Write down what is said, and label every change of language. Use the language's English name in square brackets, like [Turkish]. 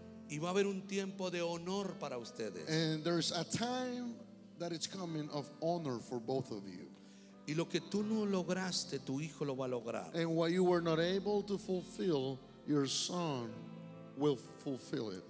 [Spanish] Y va a haber un tiempo de honor para ustedes. [English] And there's a time that it's coming of honor for both of you. [Spanish] Y lo que tú no lograste, tu hijo lo va a lograr. [English] And what you were not able to fulfill, your son will fulfill it.